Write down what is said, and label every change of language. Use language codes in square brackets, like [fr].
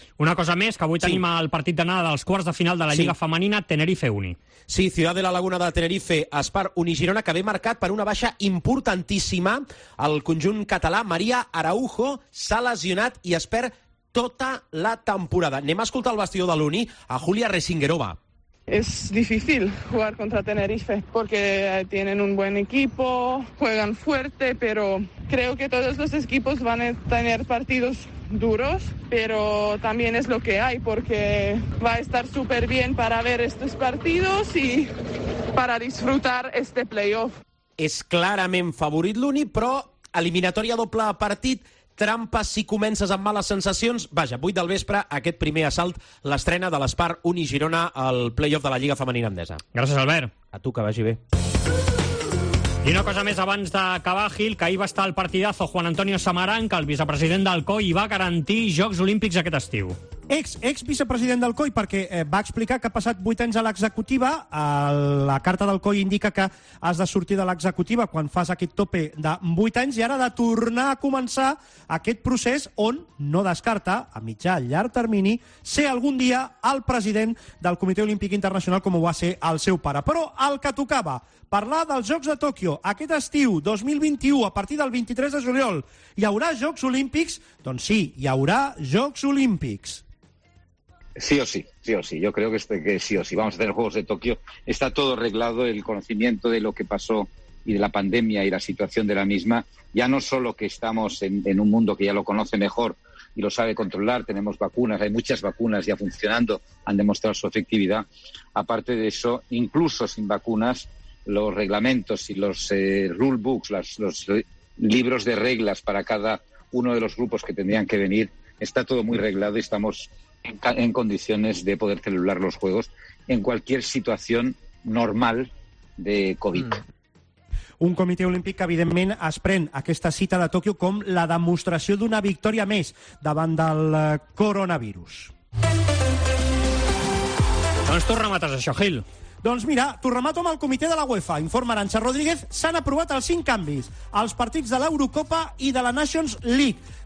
[ca] Una cosa més, que avui tenim el partit d'anada dels quarts de final de la Lliga Femenina, Tenerife-Uni. Sí, Ciudad de la Laguna de Tenerife, Espar, Unigirona, que ve marcat per una baixa importantíssima. El conjunt català, Maria Araujo, s'ha lesionat i es perd tota la temporada. Anem a escoltar el vestidor de l'Uni, a Julia Resingerova. [es] Es difícil jugar contra Tenerife porque tienen un buen equipo, juegan fuerte, pero creo que todos los equipos van a tener partidos duros, pero también es lo que hay porque va a estar súper bien para ver estos partidos y para disfrutar este playoff. Es claramente favorito l'Uni, pero eliminatoria [ca] doble partit. Trampes si comences amb males sensacions. Vaja, 8 del vespre, aquest primer assalt, l'estrena de l'Espar Unigirona al play-off de la Lliga Femenina Endesa. Gràcies, Albert. A tu, que vagi bé. I una cosa més abans d'acabar, Gil, que ahir va estar el partidazo Juan Antonio Samaranch, el vicepresident del COI, va garantir Jocs Olímpics aquest estiu. Ex-vicepresident del COI, perquè va explicar que ha passat 8 anys a l'executiva. La carta del COI indica que has de sortir de l'executiva quan fas aquest tope de 8 anys i ara de tornar a començar aquest procés on no descarta, a mitjà llarg termini, ser algun dia el president del Comitè Olímpic Internacional com ho va ser el seu pare. Però el que tocava, parlar dels Jocs de Tòquio aquest estiu 2021 a partir del 23 de juliol, hi haurà Jocs Olímpics? Doncs sí, hi haurà Jocs Olímpics. [es] Sí o sí, sí o sí. Yo creo que, que sí o sí. Vamos a tener Juegos de Tokio. Está todo arreglado, el conocimiento de lo que pasó y de la pandemia y la situación de la misma. Ya no solo que estamos en un mundo que ya lo conoce mejor y lo sabe controlar, tenemos vacunas, hay muchas vacunas ya funcionando, han demostrado su efectividad. Aparte de eso, incluso sin vacunas, los reglamentos y los rule books, los libros de reglas para cada uno de los grupos que tendrían que venir, está todo muy reglado y estamos en condiciones de poder celebrar los juegos en cualquier situación normal de COVID. [ca] Un comitè olímpic que, evidentment, es pren aquesta cita de Tòquio com la demostració d'una victòria més davant del coronavirus. Doncs tu remates això, Gil. Doncs mira, t'ho remato amb el comitè de la UEFA. Informa Arantxa Rodríguez, s'han aprovat els 5 canvis als partits de l'Eurocopa i de la Nations League.